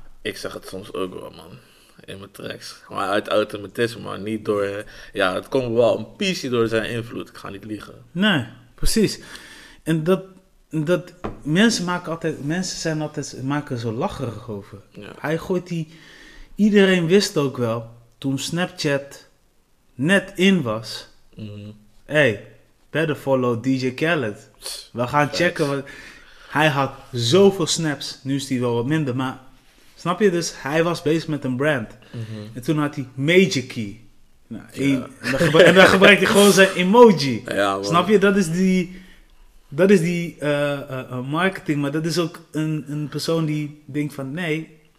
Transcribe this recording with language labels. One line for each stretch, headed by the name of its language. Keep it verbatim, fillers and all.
Dutch: Ik zeg het soms ook wel man, in mijn tracks. Maar uit automatisme, maar niet door, ja, het komt wel een piece door zijn invloed. Ik ga niet liegen. Nee, precies. En dat, dat mensen maken altijd, mensen zijn altijd, maken er zo lacherig over. Ja. Hij gooit die... Iedereen wist ook wel, toen Snapchat net in was, mm-hmm.
English: hey, better follow D J Khaled.
Dutch: We gaan Facts. Checken. Wat... Hij had zoveel snaps, nu is hij wel wat minder, maar snap je dus, hij was bezig met een brand. Mm-hmm. En toen had hij Major Key. Nou, ja. en, dan gebru- en dan gebruikte hij gewoon zijn emoji. Ja, snap je, dat is die, dat is die uh, uh, marketing, maar dat is ook een, een persoon die denkt van nee,